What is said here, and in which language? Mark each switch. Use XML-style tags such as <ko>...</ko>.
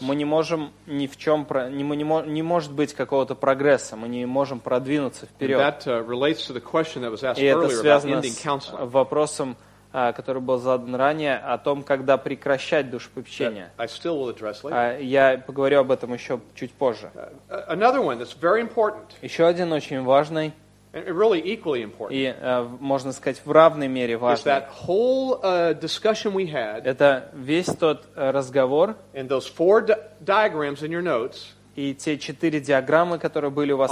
<ru>Мы не можем ни в чем, не может быть какого-то прогресса, мы не можем продвинуться вперед.</ru> <en>And that relates to the question that was asked</en> <ru>и это связано</ru> <en>about ending counseling.</en> <ru>С вопросом, который был задан ранее, о том, когда прекращать душепопечение.</ru> <en>I still will address later.</en> <ru>Я поговорю об этом еще чуть позже.</ru> <en>Another one that's very important.</en> <ru>Еще один очень важный.</ru> <en>And really equally important.</en> <ru>И, можно сказать, в равной мере важный.</ru> <en>Is that whole discussion we had.</en> <ru>Это весь тот разговор.</ru> <en>And those four diagrams in your notes.</en> <ru>И те четыре диаграммы, которые были у вас</ru>